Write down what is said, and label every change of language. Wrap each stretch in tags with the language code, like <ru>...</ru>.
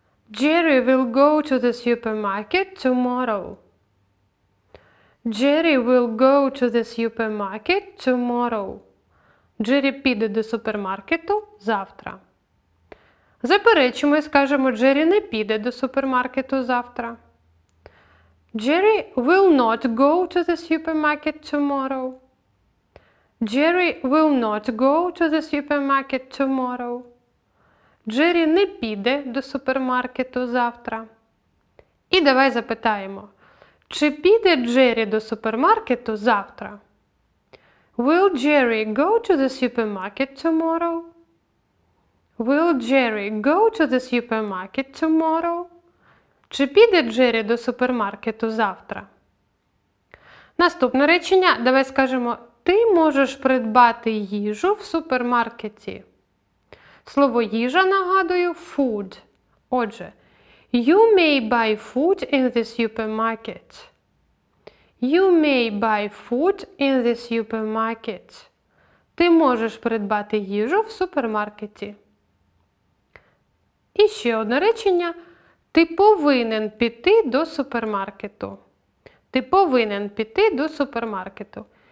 <en>Jerry will go to the supermarket tomorrow. Jerry will go to the supermarket tomorrow.</en> <uk>Джері піде до супермаркету завтра. Заперечимо і скажемо, Джері не піде до супермаркету завтра.</uk> <en>Jerry will not go to the supermarket tomorrow. Jerry will not go to the supermarket tomorrow.</en> <uk>Джері не піде до супермаркету завтра. І давай запитаємо, чи піде Джері до супермаркету завтра?</uk> <en>Will Jerry go to the supermarket tomorrow? Will Jerry go to the supermarket tomorrow?</en> <uk>Чи піде Джері до супермаркету завтра? Наступне речення, давай скажемо, ти можеш придбати їжу в супермаркеті. Слово їжа, нагадую, food. Отже,</uk> <en>you may buy food in the supermarket. You may buy food in the supermarket.</en> <uk>Ти можеш придбати їжу в супермаркеті. І ще одне речення. Ти повинен піти до супермаркету. Ти повинен піти до супермаркету.</uk>